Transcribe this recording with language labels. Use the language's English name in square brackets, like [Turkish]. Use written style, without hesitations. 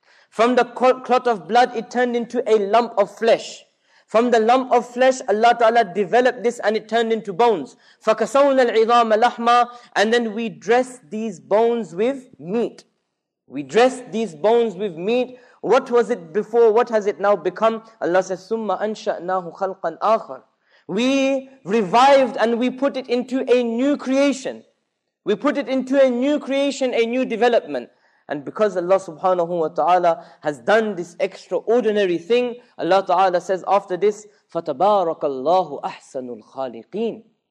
[English] From the clot of blood, it turned into a lump of flesh. From the lump of flesh, Allah Ta'ala developed this and it turned into bones. [Arabic] فَكَسَوْنَا الْعِظَامَ لَحْمًا. [English] And then we dress these bones with meat. We dress these bones with meat. What was it before? What has it now become? Allah says, [Arabic] ثُمَّ أَنْشَأْنَاهُ خَلْقًا آخَرًا. [English] We revived and we put it into a new creation. We put it into a new creation, a new development. And because Allah subhanahu wa ta'ala has done this extraordinary thing, Allah ta'ala says after this, [Arabic] فَتَبَارَكَ اللَّهُ أَحْسَنُ الْخَالِقِينَ.